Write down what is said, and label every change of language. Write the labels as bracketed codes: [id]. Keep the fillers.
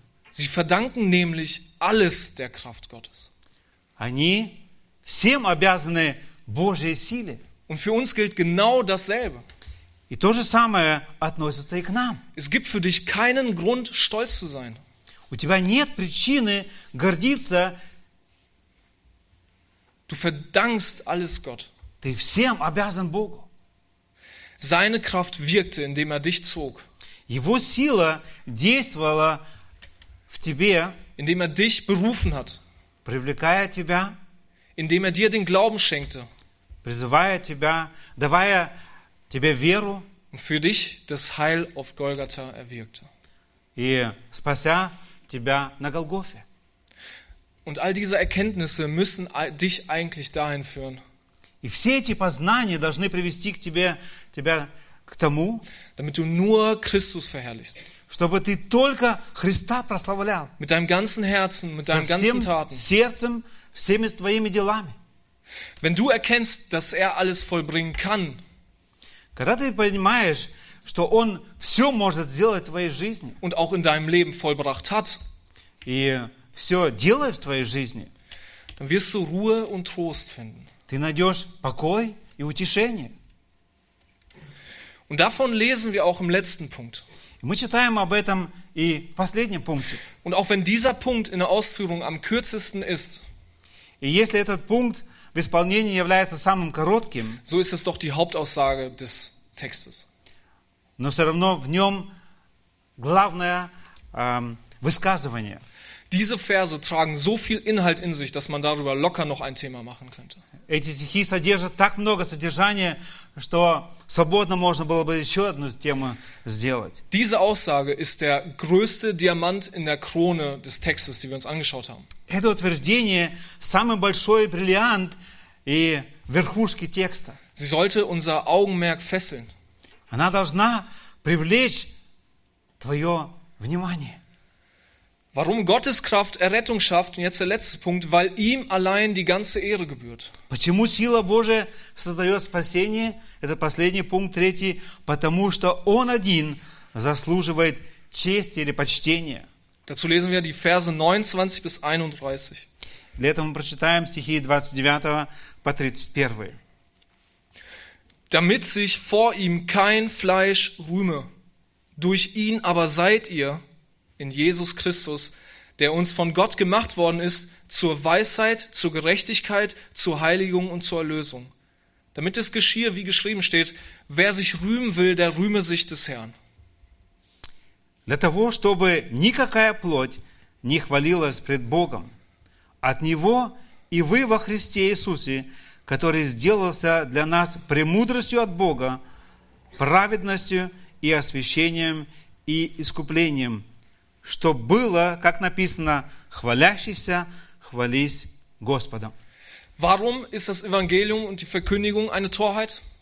[de] Sie verdanken nämlich alles der Kraft Gottes. [ru] Они всем обязаны Божьей силе. [de] Und für uns gilt genau dasselbe. [ru] И то же самое относится и к нам. [de] Es gibt für dich keinen Grund, stolz zu sein. [ru] У тебя нет причины гордиться. [de] Du verdankst alles Gott. [ru] Ты всем обязан Богу. [de] Seine Kraft wirkte, indem er dich zog. [ru] Его сила действовала в тебе [de] indem er dich berufen hat, [ru] привлекая тебя, [de] indem er dir den Glauben schenkte, [ru] призывая тебя, давая тебе веру, [de] und für dich das Heil auf Golgatha erwirkte, [ru] и спася тебя на Голгофе. [de] Und all diese Erkenntnisse müssen dich eigentlich dahin führen. [ru] И все эти познания должны привести к тебе тебя, к тому, [de] damit du nur Christus verherrlichst [ru] чтобы ты только Христа [de] Mit deinem ganzen Herzen, mit deinem ganzen Taten. [ru] Сердцем, всеми твоими делами. [de] Wenn du erkennst, dass er alles vollbringen kann. [ru] Когда ты понимаешь, что он все может сделать в твоей жизни. [de] Und auch in deinem Leben vollbracht hat. [ru] И все делает в твоей жизни. [de] Dann wirst du Ruhe und Trost finden. [ru] Ты найдешь покой и утешение. [de] Und davon lesen wir auch im letzten Punkt. [ru] Мы читаем об этом и в последнем пункте. [de] Und auch wenn dieser Punkt in der Ausführung am kürzesten ist, [ru] и если этот Punkt в исполнении является самым коротким, [de] so ist es doch die Hauptaussage des Textes. [ru] Но все равно в нем главное ähm, высказывание. [de] Diese Verse tragen so viel Inhalt in sich, dass man darüber locker noch ein Thema machen könnte. [ru] Эти стихи содержат так много содержания, что свободно можно было бы еще одну тему сделать. [de] Diese Aussage ist der größte Diamant in der Krone des Textes, die wir uns angeschaut haben. [ru] Это утверждение самый большой бриллиант и верхушки текста. [de] Sie sollte unser Augenmerk fesseln. [ru] Она должна привлечь твое внимание. [de] Warum Gottes Kraft Errettung schafft, und jetzt der letzte Punkt, weil ihm allein die ganze Ehre gebührt. [ru] Почему сила Божия создает спасение? Это последний пункт, третий, потому что Он один заслуживает чести или почтения. [de] Dazu lesen wir die Verse 29 bis 31. [ru] Для этого мы прочитаем стихи 29 по 31. [de] Damit sich vor ihm kein Fleisch rühme, durch ihn aber seid ihr in Jesus Christus, der uns von Gott gemacht worden ist, zur Weisheit, zur Gerechtigkeit, zur Heiligung und zur Erlösung. damit es geschiehe, wie geschrieben steht, wer sich rühmen will, der rühme sich des Herrn. [ru] Для того, чтобы никакая плоть не хвалилась пред Богом, от Него и вы во Христе Иисусе, который сделался для нас премудростью от Бога, праведностью и освящением и искуплением, что было, как написано, хвалящийся, хвались Господом. [de] Warum ist das Evangelium und die Verkündigung eine Torheit?